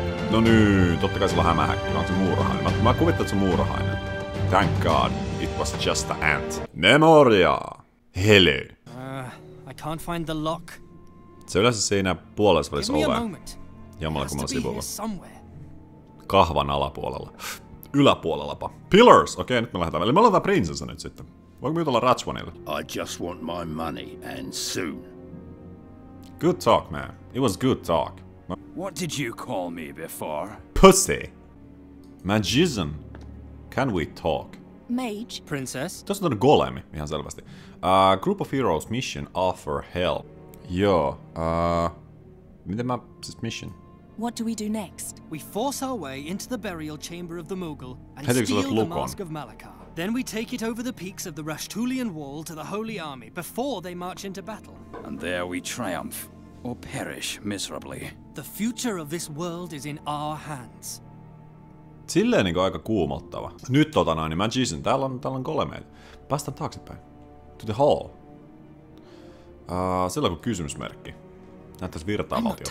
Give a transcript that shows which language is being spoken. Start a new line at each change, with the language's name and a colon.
Finnish: No nyt, totta kai sillä on hämähäkki, on se muurahainen. Mä kuvittelen, että se on muurahainen.
English: Thank God, it was just the ant. Memoria! Hello. I can't find the lock.
Finnish: Se yleensä siinä puolessa välissä ove.
English: Give me a moment.
Finnish: Jommalla kummalla sivulla.
English: It has to be here somewhere.
Finnish: Kahvan alapuolella. Yläpuolellapa. Pillars! Okei, nyt me lähdetään. Eli me ollaan tää prinsessa nyt sitten. Voinko me jutella Ratchwanille?
English: I just want my money, and soon. Good talk, man. It was good talk. What did you call me before? Pussy! Magician! Can we talk? Mage? Princess?
Finnish: Tuossa on golemi, ihan selvästi.
English: Group of Heroes mission, offer help.
Finnish: Joo, miten mä... Siis mission?
English: What do we do next? We force our way into the burial chamber of the Mughal and steal the Mask of Malachar. Then we take it over the peaks of the Rashtulian Wall to the Holy Army before they march into battle. And there we triumph. Or perish miserably. The future of this world is in our hands.
Finnish: Silleen niinku aika kuumottava. Nyt niin Magician, täällä on golemeita. Päästään taaksepäin.
English: To the hall.
Finnish: Sillä on kysymysmerkki. Näyttäis virtaa valtiota.